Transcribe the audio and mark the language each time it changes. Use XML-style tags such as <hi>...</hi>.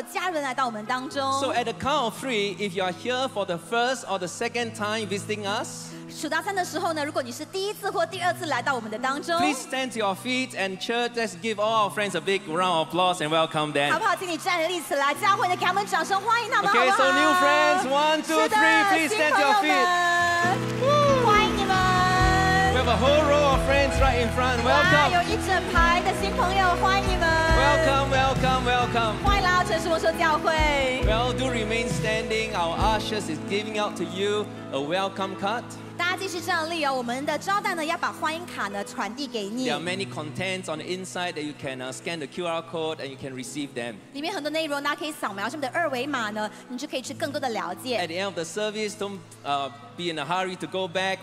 <en>So at the count of three, if you are here for the first or the second time visiting us,</en> <zh>数到三的时候呢，如果你是第一次或第二次来到我们的当中，</zh> <en>please stand to your feet and church, let's give all our friends a big round of applause and welcome them.</en> <zh>好不好，请你站立起来，教会的给他们掌声，欢迎他们。</zh> <en>Okay, so new friends, 1, 2, 3, please stand to your feet.</en> <zh>欢迎你们。</zh> <en>We have a whole row of friends right in front. Welcome.</en> <zh>有一整排的新朋友，欢迎你们。</zh> <en>Welcome, welcome, welcome.</en> <zh>欢迎来到城市牧师教会。</zh> <en>Well, do remain standing. Our ushers is giving out to you a welcome card.</en> <zh>大家继续站立哦，我们的招待呢要把欢迎卡呢传递给你。</zh> <en>There are many contents on the inside that you can scan the QR code and you can receive them.</en> <zh>里面很多内容呢，可以扫描上面的二维码呢，你就可以去更多的了解。</zh> <en>At the end of the service, don't be in a hurry to go back.</en>